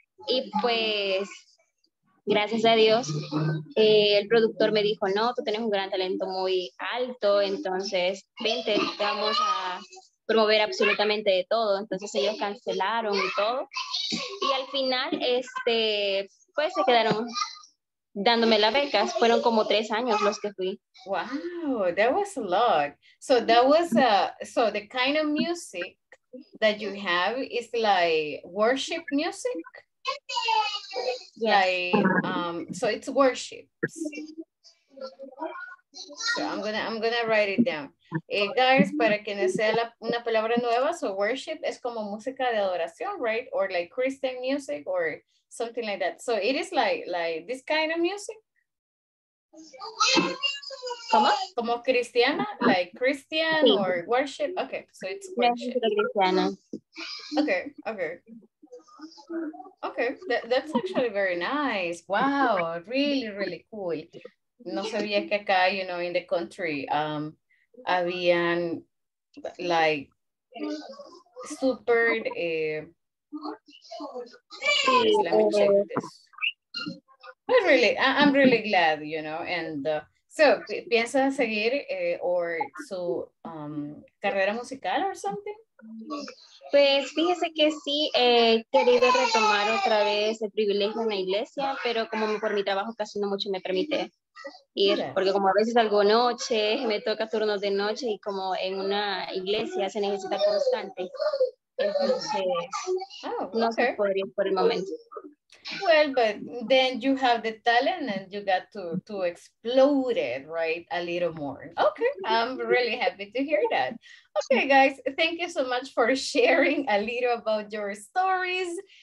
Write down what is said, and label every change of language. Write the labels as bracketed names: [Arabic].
[Spanish] Y pues, gracias a Dios, el productor me dijo, no, tú tienes un gran talento muy alto, entonces, vente, te vamos a promover absolutamente de todo. Entonces, ellos cancelaron y todo. Y al final, pues, se quedaron dándome las becas. Fueron como 3 años los que fui. [English] Wow, that was a lot. So that was so the kind of music that you have is like worship music. Yeah. So it's worship. So I'm gonna write it down. [Spanish] Guys, para quienes sea una palabra nueva, so worship es como música de adoración, right? [English] Or like Christian music or something like that. So it is like this kind of music. [Spanish] ¿Cómo? Como cristiana, [English] like Christian, sí. Or worship. Okay, so it's worship. Yeah, cristiana. Okay, that's actually very nice. Wow, really, really cool. [Spanish] No sabía que acá, you know, [English] in the country, [Spanish] habían like super. [English] Please, let me check this. But really, I'm really glad, you know. And so, [Spanish] ¿piensas seguir or su carrera musical [English] or something? [Spanish] Pues fíjese que sí, he querido retomar otra vez el privilegio en la iglesia, pero como por mi trabajo casi no mucho me permite ir, porque como a veces salgo noche, me toca turnos de noche y como en una iglesia se necesita constante. Entonces, no se podría por el momento. [English] Well, but then you have the talent and you got to explore it, right, a little more. Okay, I'm really happy to hear that. Okay, guys, thank you so much for sharing a little about your stories.